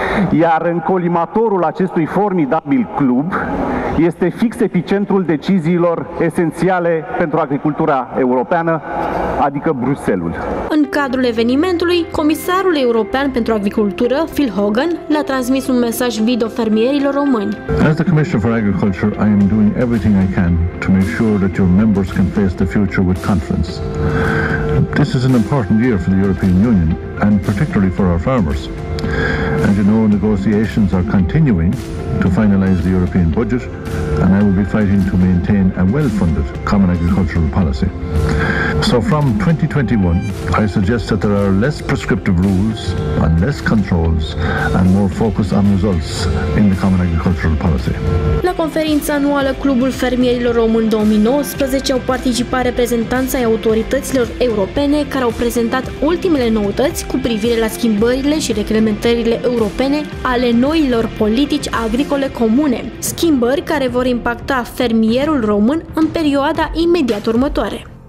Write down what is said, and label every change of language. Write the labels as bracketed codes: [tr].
[ro] Iar în colimatorul acestui formidabil club este fix epicentrul deciziilor esențiale pentru agricultura europeană, adică Bruxelles. În cadrul evenimentului, comisarul european pentru agricultură, Phil Hogan, le-a transmis un mesaj video fermierilor români. [en] As the Commissioner for Agriculture, I am doing everything I can to make sure that your members can face the future with confidence. This is an important year for the European Union and particularly for our farmers. And you know, negotiations are continuing to finalize the European budget, and I will be fighting to maintain a well-funded common agricultural policy. So from 2021, I suggest that there are less prescriptive rules and less controls and more focus on results in the common agricultural policy. [ro] La conferința anuală Clubul Fermierilor Români 2019 au participat reprezentanți ai autorităților europene care au prezentat ultimele noutăți cu privire la schimbările și reglementările europene ale noilor politici agricole comune, schimbări care vor impacta fermierul român în perioada imediat următoare.